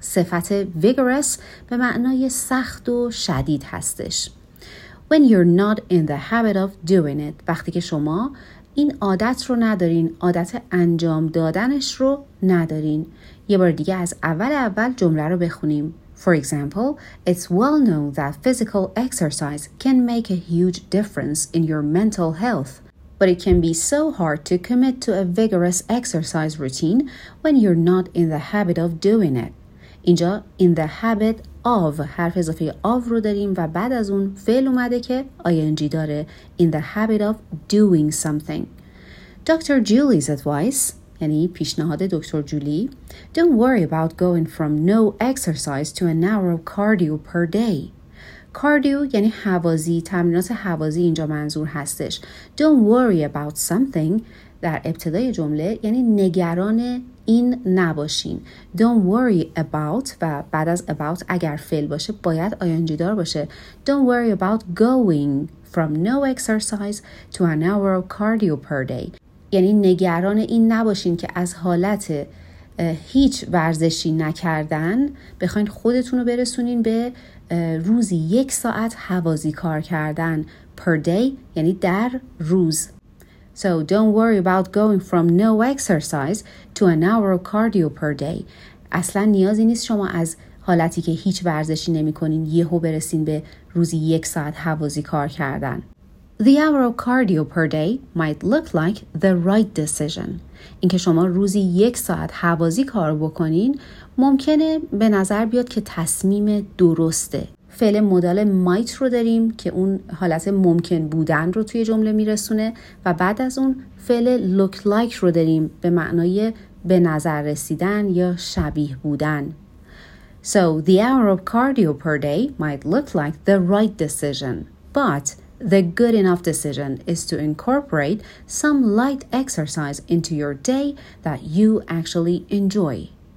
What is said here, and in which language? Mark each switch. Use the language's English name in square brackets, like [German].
[Persian] صفت vigorous به معنای سخت و شدید هستش. [English] When you're not in the habit of doing it، [Persian] وقتی که شما این عادت رو ندارین، عادت انجام دادنش رو ندارین. یه بار دیگه از اول جمله رو بخونیم. [English] For example, it's well known that physical exercise can make a huge difference in your mental health, but it can be so hard to commit to a vigorous exercise routine when you're not in the habit of doing it. [Persian] اینجا [English] in the habit of [Persian] حرف اضافه of رو داریم و بعد از اون فعل اومده که ing داره. [English] In the habit of doing something. Dr. Julie's advice, [Persian] یعنی پیشنهاد دکتر جولی, [English] don't worry about going from no exercise to an hour of cardio per day. [Persian] Cardio یعنی هوازی, تمرینات هوازی اینجا منظور هستش. [English] Don't worry about something [Persian] در ابتدای جمله یعنی نگران این نباشین. [English] Don't worry about [Persian] و بعد از about اگر فعل باشه باید ing دار باشه. [English] Don't worry about going from no exercise to an hour of cardio per day. [Persian] یعنی نگران این نباشین که از حالت هیچ ورزشی نکردن بخواین خودتون رو برسونین به روزی یک ساعت هوازی کار کردن. [English] Per day [Persian] یعنی در روز. [English] So don't worry about going from no exercise to an hour of cardio per day. [Persian] اصلا نیازی نیست شما از حالتی که هیچ ورزشی نمی کنین یهو برسین به روزی یک ساعت هوازی کار کردن. [English] The hour of cardio per day might look like the right decision. [Persian] اینکه شما روزی یک ساعت هوازی کار بکنین ممکنه به نظر بیاد که تصمیم درسته. فعل مدال might رو داریم که اون حالت ممکن بودن رو توی جمله میرسونه و بعد از اون فعل look like رو داریم به معنای به نظر رسیدن یا شبیه بودن. [English] So the hour of cardio per day might look like the right decision, but the good enough decision is to incorporate some light exercise into your day that you actually enjoy.